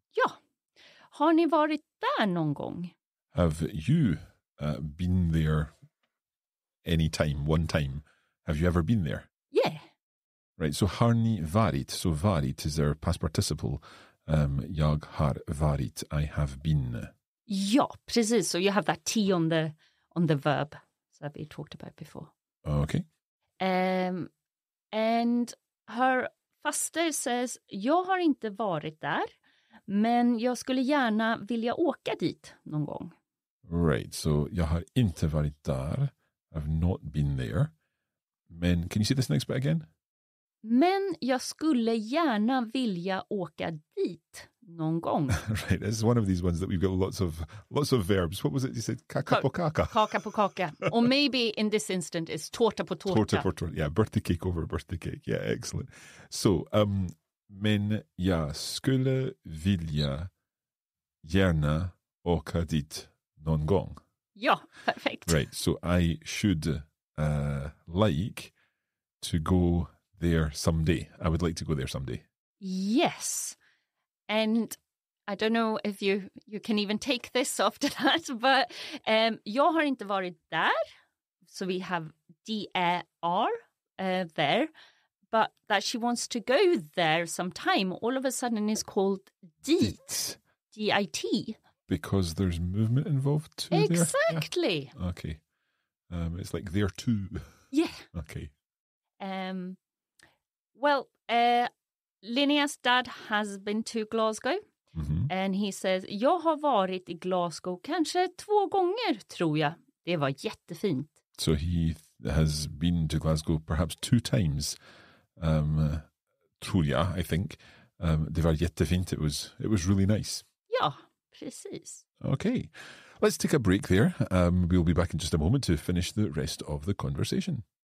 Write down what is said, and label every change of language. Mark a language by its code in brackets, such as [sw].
[sv] Ja, har ni varit där någon gång? [en] Have you been there any time, one time? Have you ever been there? Yeah. Right, so [sv] har ni varit? [en] So varit is their past participle. [sv] Jag har varit, [en] I have been. [sv] Ja, precis. [en] So you have that T on the verb that we talked about before. Okay. And her faster says, [sv] jag har inte varit där, men jag skulle gärna vilja åka dit någon gång. [en] Right, so [sv] jag har inte varit där, [en] I've not been there. Men, can you see this next bit again? [sv] Men jag skulle gärna vilja åka dit någon gång. [en] Right, this is one of these ones that we've got lots of verbs. What was it you said? [sv] Kaka på kaka. Kaka på kaka. [en] Or maybe in this instant it's [sv] tårta på tårta. Tårta på tårta. [en] Yeah, birthday cake over birthday cake. Yeah, excellent. [sv] So, men jag skulle vilja gärna åka dit någon gång. Ja, perfekt. [en] Right, so I should like to go there someday. I would like to go there someday. Yes. And I don't know if you can even take this after that, but [sv] jag har inte varit där. [en] So we have D-A-R there. But that she wants to go there sometime, all of a sudden is called DIT. D-I-T. Because there's movement involved too. Exactly. There. Yeah. Okay. It's like there too. Yeah. Okay. Well, Linnea's dad has been to Glasgow, mm-hmm. and he says, [sv] jag har varit i Glasgow kanske två gånger, tror jag. Det var jättefint. [en] So he has been to Glasgow perhaps two times, [sv] tror jag, [en] I think. [sv] Det var jättefint. [en] It was really nice. [sv] Ja, precis. [en] Okay, let's take a break there. We'll be back in just a moment to finish the rest of the conversation.